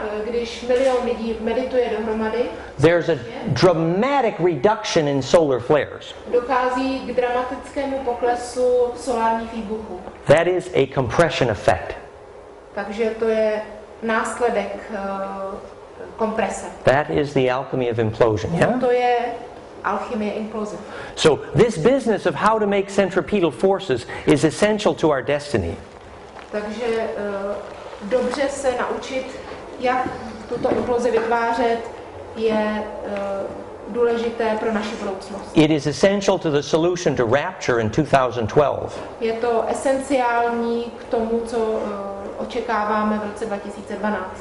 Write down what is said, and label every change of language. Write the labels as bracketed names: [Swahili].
[Czech] když milion lidí medituje dohromady, [English] there's a dramatic reduction in solar flares. [Czech] Dochází k dramatickému poklesu solárních výbuchů. [English] That is a compression effect. [Czech] Takže to je následek komprese. [English] That is the alchemy of implosion, yeah? [Czech] To je alchemie implozie. [English] So this business of how to make centripetal forces is essential to our destiny. [Czech] Takže dobře se naučit, jak tuto implozi vytvářet, je důležité pro naši budoucnost. [English] It is essential to the solution to rapture in 2012. [Czech] Je to esenciální k tomu, co očekáváme v roce 2012.